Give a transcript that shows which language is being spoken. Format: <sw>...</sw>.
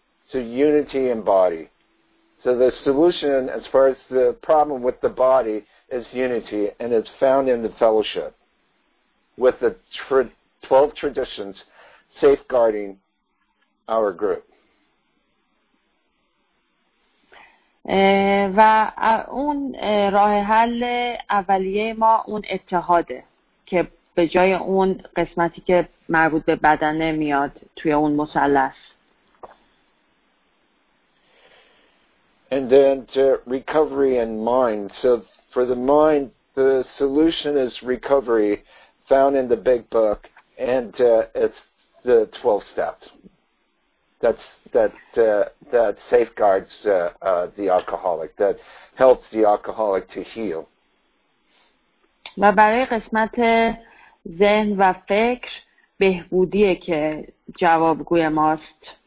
<en>So unity and body. So the solution as far as the problem with the body is unity, and it's found in the fellowship with the 12 traditions safeguarding our group.</en> <fa>و اون راه حل اولیه ما اون اتحاده که به جای اون قسمتی که مربوط به بدنه میاد توی اون مثلث.</fa> <en>And then to recovery and mind. So for the mind, the solution is recovery found in the big book and it's the 12 steps. That safeguards the alcoholic, that helps the alcoholic to heal.</en> <fa>و برای قسمت ذهن و فکر بهبودیه که جوابگوی ماست.</fa>